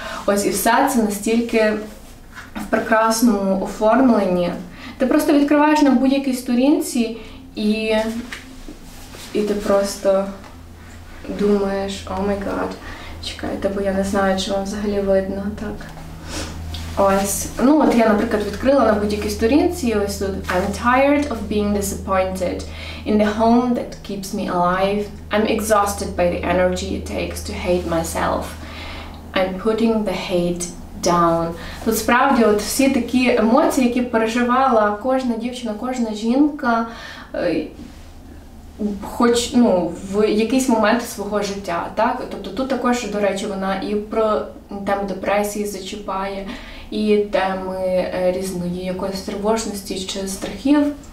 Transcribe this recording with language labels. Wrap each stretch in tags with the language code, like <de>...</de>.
<uk>Ось і все це настільки в прекрасному оформленні. Ти просто відкриваєш на будь-якій сторінці і ти просто думаєш,</uk> <en>о май гад,</en> <uk>чекайте, бо я не знаю, чи вам взагалі видно, так? Ось, ну от я, наприклад, відкрила на будь-якій сторінці, ось тут</uk> <en>«I'm tired of being disappointed in the home that keeps me alive. I'm exhausted by the energy it takes to hate myself. I'm putting the hate down».</en> <uk>Тут справді от всі такі емоції, які переживала кожна дівчина, кожна жінка, хоч, ну, в якийсь момент свого життя, так? Тобто тут також, до речі, вона і про тему депресії зачіпає, і теми різної якоїсь тривожності чи страхів.</uk>